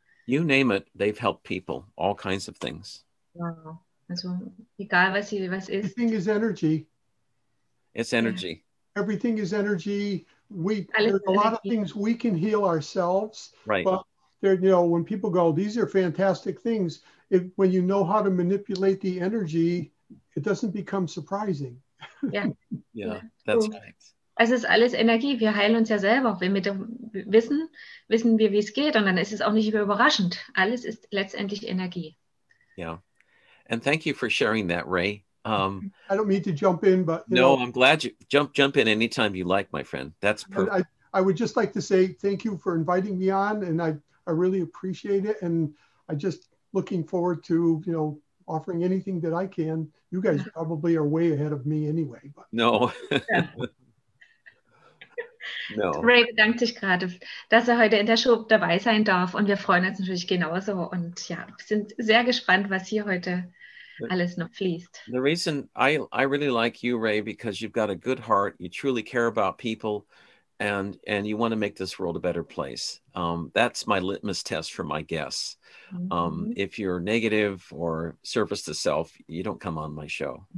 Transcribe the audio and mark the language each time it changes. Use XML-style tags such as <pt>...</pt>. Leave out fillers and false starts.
<en>You name it, they've helped people, all kinds of things.</en> <de>Wow. Also, egal was sie, was ist.</de> <en>Everything is energy. It's energy. Yeah. Everything is energy. There's a lot of things we can heal ourselves. Right. But there, you know, when people go, these are fantastic things. If when you know how to manipulate the energy, it doesn't become surprising. Yeah. Yeah, that's right.</en> <de>Es ist alles Energie. Wir heilen uns ja selber. Wenn wir wissen wir, wie es geht. Und dann ist es auch nicht überraschend. Alles ist letztendlich Energie.</de> <en>Ja. And thank you for sharing that, Ray. I don't mean to jump in, but... I'm glad you... Jump in anytime you like, my friend. That's perfect. I would just like to say thank you for inviting me on. And I really appreciate it. And I'm just looking forward to, you know, offering anything that I can. You guys probably are way ahead of me anyway. But. No. Yeah. No.</en> <de>Ray bedankt sich gerade, dass er heute in der Show dabei sein darf und wir freuen uns natürlich genauso und ja, sind sehr gespannt, was hier heute alles noch fließt.</de> <en>The reason I really like you, Ray, because you've got a good heart, you truly care about people and you want to make this world a better place. That's my litmus test for my guests. Mm-hmm. If you're negative or service to self, you don't come on my show.</en>